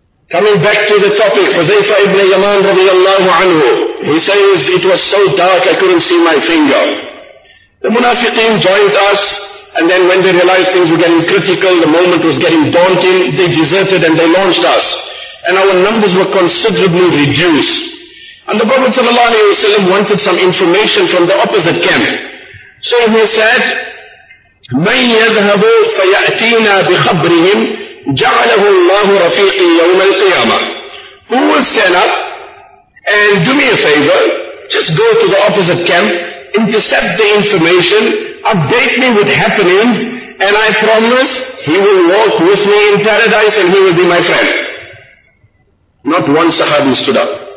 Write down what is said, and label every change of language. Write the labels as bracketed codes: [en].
[en] Coming back to the topic, Huzaifa ibn Yaman radiallahu anhu, he says, it was so dark I couldn't see my finger. The munafiqeen joined us, and then when they realized things were getting critical, the moment was getting daunting, they deserted and they launched us. And our numbers were considerably reduced. And the Prophet sallallahu alayhi wa sallam wanted some information from the opposite camp. So he said, [ar] مَنْ يَذْهَبُ فَيَأْتِينَا بِخَبْرِهِمْ جَعَلَهُ اللَّهُ رَفِيقِي يَوْمَ الْقِيَامَةِ. [en] Who will stand up and do me a favor, just go to the opposite camp, intercept the information, update me with happenings, and I promise he will walk with me in paradise and he will be my friend. Not one sahabi stood up.